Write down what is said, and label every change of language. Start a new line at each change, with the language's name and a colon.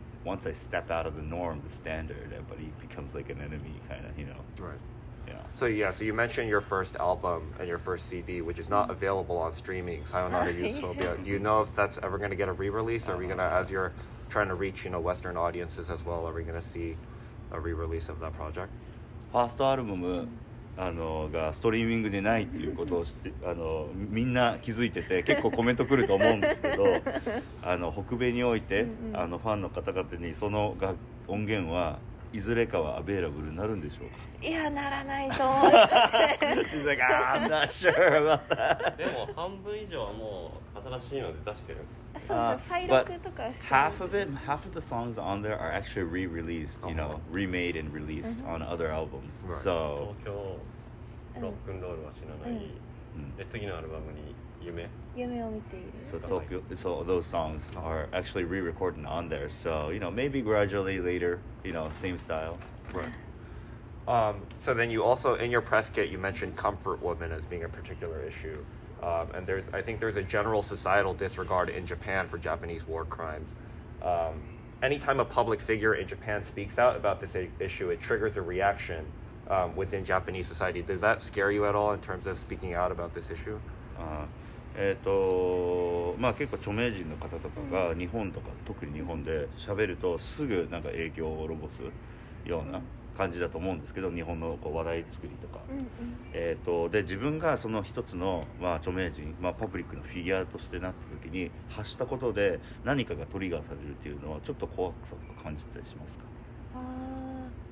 English: Once I step out of the norm, the standard, everybody becomes like an enemy, kind of, you know. Right. Yeah. So yeah. So you mentioned your first album and your first CD, which is not available on streaming. Sayonara Utopia. Do you know if that's ever going to get a re-release? Are we going to, as you're trying to reach, you know, Western audiences as well, are we going to see a re-release of that project? First album,
Japanese: がストリーミングでないっていうことをしてみんな気づいてて結構コメント来ると思うんですけど北米においてファンの方々にその音源はいずれかはアベイラブルになるんでしょうか。いやならないと思います
English: 。 ああ、I'm not sure about that。
Japanese: でも半分以上はもう新しいので出してる。そう、再録とかしてる。
English: Half of it, half of the songs on there are actually re-released, you know, remade and released on other albums. Right. So
Japanese: 東京ロックンロールは死なない。で次のアルバムに夢。
English: So Tokyo, so those songs are actually re-recorded on there. So you know, maybe gradually later, you know, same style. Right. So then you also in your press kit you mentioned comfort women as being a particular issue. And there's, I think there's a general societal disregard in Japan for Japanese war crimes. Anytime a public figure in Japan speaks out about this issue, it triggers a reaction within Japanese society. Does that scare you at all in terms of speaking out about this issue?
Japanese: まあ、結構著名人の方とかが日本とか、うん、特に日本で喋るとすぐなんか影響を及ぼすような感じだと思うんですけど、日本のこう話題作りとか、うんうん、で自分がその一つの、まあ、著名人、まあ、パブリックのフィギュアとしてなった時に発したことで何かがトリガーされるっていうのはちょっと怖さとか感じたりしますか。